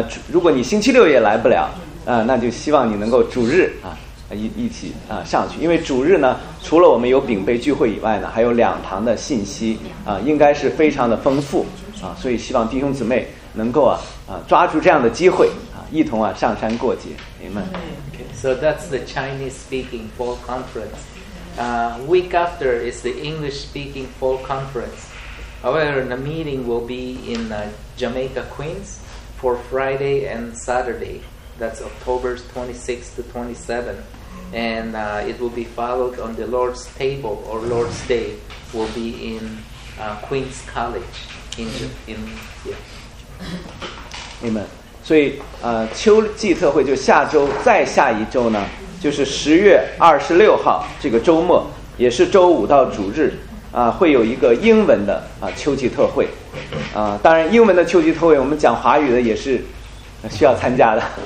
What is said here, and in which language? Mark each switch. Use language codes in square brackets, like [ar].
[zh] 如果你星期六也来不了，那就希望你能够主日一起上去，因为主日呢，除了我们有饼杯聚会以外呢，还有两堂的信息应该是非常的丰富所以希望弟兄姊妹能够抓住这样的机会。一同上山过节。Amen。 [en] Okay, so that's the Chinese speaking fall conference. Week after is the English speaking fall conference. However, the meeting will be in Jamaica, Queens for Friday and Saturday. That's October 26th to 27th. And it will be followed on the Lord's Table or Lord's Day will be in Queens College in yeah. Amen。 [zh] 所以秋季特会就下周，再下一周呢就是10月26号这个周末，也是周五到主日会有一个英文的秋季特会当然英文的秋季特会我们讲华语的也是需要参加的